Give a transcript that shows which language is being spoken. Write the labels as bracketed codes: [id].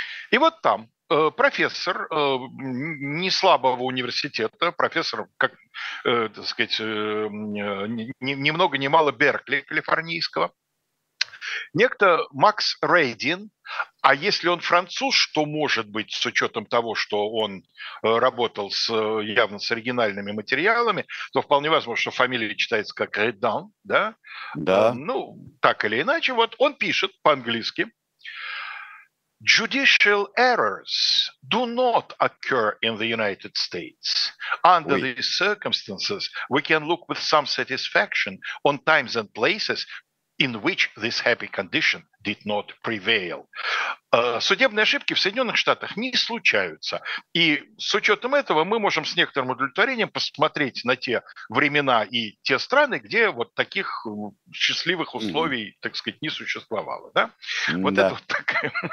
[ru] И вот там профессор не слабого университета, профессор, как, так сказать, ни много ни мало Беркли калифорнийского, некто Макс Рейдин, а если он француз, то, может быть, с учетом того, что он работал явно с оригинальными материалами, то вполне возможно, что фамилия читается как Рейдан, да? Да. Ну, так или иначе, вот он пишет по-английски: [en] «Judicial errors do not occur in the United States. Under Oui. These circumstances, we can look with some satisfaction on times and places in which this happy condition did not prevail». [ru] Судебные ошибки в Соединенных Штатах не случаются. И с учетом этого мы можем с некоторым удовлетворением посмотреть на те времена и те страны, где вот таких счастливых условий, так сказать, не существовало. Да? Вот да. Это вот такая...